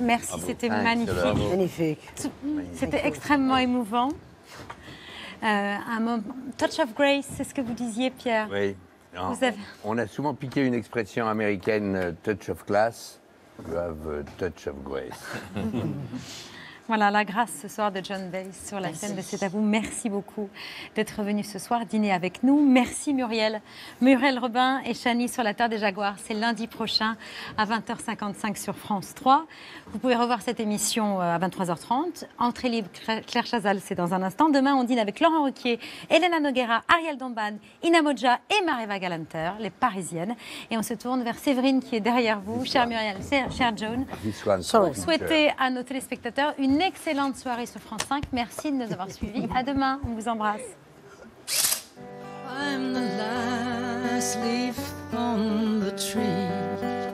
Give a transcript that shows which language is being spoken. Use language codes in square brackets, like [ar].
[fr] Merci, c'était magnifique. Magnifique. C'était extrêmement émouvant. Un moment. Touch of Grace, c'est ce que vous disiez, Pierre. Oui. On a souvent piqué une expression américaine, Touch of Class. [en] You have a touch of grace. [fr] Voilà, la grâce ce soir de John Baez sur la scène de C'est à vous. Merci beaucoup d'être venu ce soir dîner avec nous. Merci Muriel. Muriel Robin et Chani sur la Terre des Jaguars. C'est lundi prochain à 20h55 sur France 3. Vous pouvez revoir cette émission à 23h30. Entrée libre, Claire Chazal, c'est dans un instant. Demain, on dîne avec Laurent Ruquier, Elena Noguera, Ariel Dombasle, Ina Modja et Maréva Galanter, les Parisiennes. Et on se tourne vers Séverine qui est derrière vous. Chère Muriel, chère Joan. Souhaitez à nos téléspectateurs une excellente soirée sur France 5. Merci de nous avoir suivis. À demain. On vous embrasse. [en] I'm the last leaf on the tree.